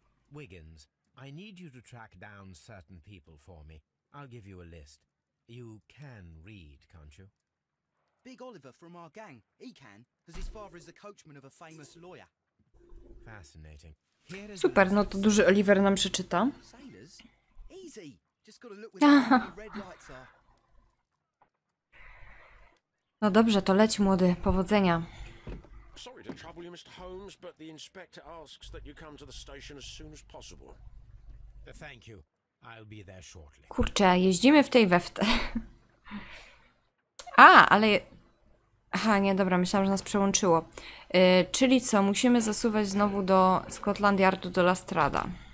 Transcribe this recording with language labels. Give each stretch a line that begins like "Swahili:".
English: Wiggins, I need you to track down certain people for me. I'll give you a list. You can read, can't you? Big Oliver from our gang. He can, as his father is the coachman of a famous lawyer. Fascinating.
Polish: Super, no to duży Oliver nam przeczyta.
English: Easy. Just gotta look where the red lights are.
Polish: No dobrze, to leć młody, powodzenia.
English: Sorry to trouble you, Mr. Holmes, but the inspector asks that you come to the station as soon as possible. Thank you. I'll be there shortly.
Polish: Kurczę, jeździmy w tej wewte. ale... Aha, nie, dobra, myślałam, że nas przełączyło. Czyli co, musimy zasuwać znowu do Scotland Yardu, do Lastrada.